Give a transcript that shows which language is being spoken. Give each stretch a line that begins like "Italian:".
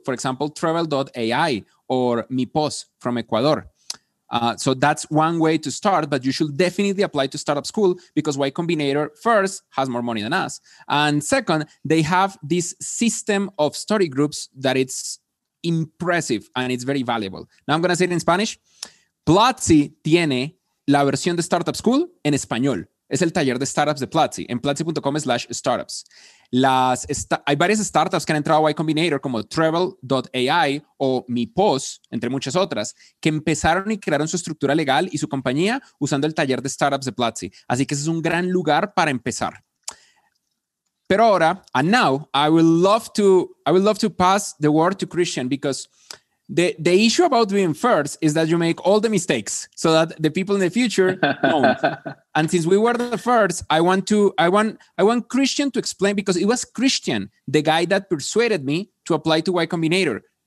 English: For example, travel.ai or Mipos from Ecuador. So that's one way to start, but you should definitely apply to Startup School because Y Combinator, first, has more money than us. And second, they have this system of study groups that it's impressive and it's very valuable. Now I'm going to say it in Spanish.
Spanish: Platzi tiene la versión de Startup School en español. Es el taller de startups de Platzi en platzi.com/startups. Hay varias startups que han entrado a Y Combinator como travel.ai o Mipos, entre muchas otras, que empezaron y crearon su estructura legal y su compañía usando el taller de startups de Platzi. Así que ese es un gran lugar para empezar. Pero ahora,
English: and now, I would love to pass the word to Christian because the issue about being first is that you make all the mistakes so that the people in the future don't. And since we were the first, I want Christian to explain, because it was Christian, the guy that persuaded me to apply to Y Combinator.